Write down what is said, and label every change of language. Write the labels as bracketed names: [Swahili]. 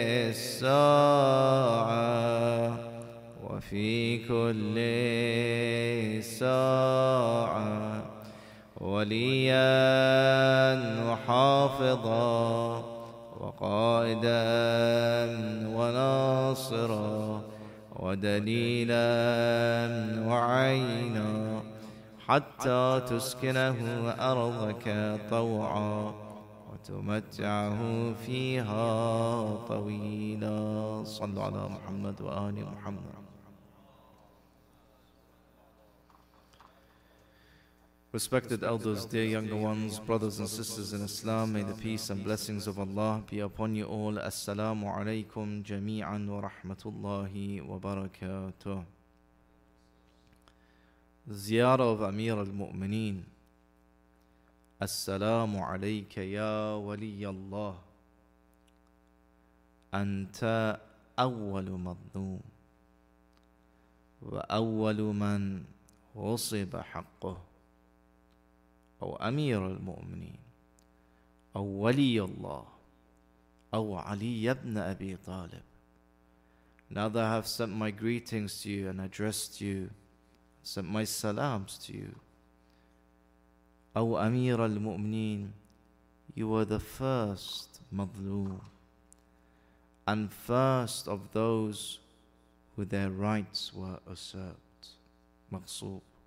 [Arabic] الساعة وفي كل ساعة وليا وحافظا وقائدا وناصرا ودليلا وعينا حتى تسكنه أرضك طوعا وتمتعه فيها طويلا صل على محمد وآل محمد. [English] Respected elders, dear younger ones, brothers and sisters in Islam, may the peace and blessings of Allah be upon you all. [Arabic] Assalamu alaikum jami'an wa rahmatullahi wa barakatuh. [English] Ziyarah of Amir al-Mu'mineen. [Arabic] Assalamu alayka ya waliyallah. Anta awwalu madhnum. Wa awwalu man ghusiba haqquh. أو أمير المؤمنين أو ولي الله أو علي بن أبي طالب. [English] Now that I have sent my greetings to you and addressed you, sent my salams to you, [Arabic] أو أمير المؤمنين, [English] you were the first مظلوم and first of those who their rights were usurped, مغصوب.